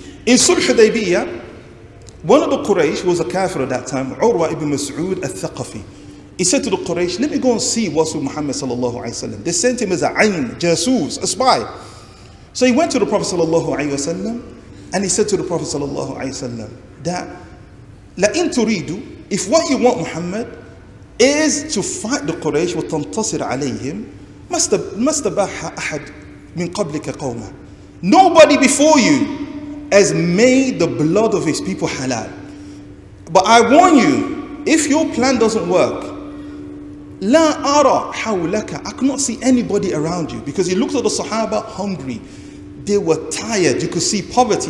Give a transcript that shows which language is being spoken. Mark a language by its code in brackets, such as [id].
[en] In Sulh Hudaybiyah, one of the Quraysh was a kafir at that time, Urwa ibn Mas'ud al-Thaqafi. He said to the Quraysh, let me go and see what's with Muhammad sallallahu alayhi wa sallam. They sent him as a ayn, jasus, a spy. So he went to the Prophet sallallahu alayhi wa sallam and he said to the Prophet sallallahu alayhi wa sallam that [ar] la in turidu, [en] if what you want Muhammad, is to fight the Quraysh [ar] وتنتصر عليهم ما استباح أحد من قبلك قوما. [en] Nobody before you has made the blood of his people halal. But I warn you, if your plan doesn't work, [ar] لا أرى حولك. [en] I cannot see anybody around you, because he looked at the Sahaba hungry. They were tired. You could see poverty.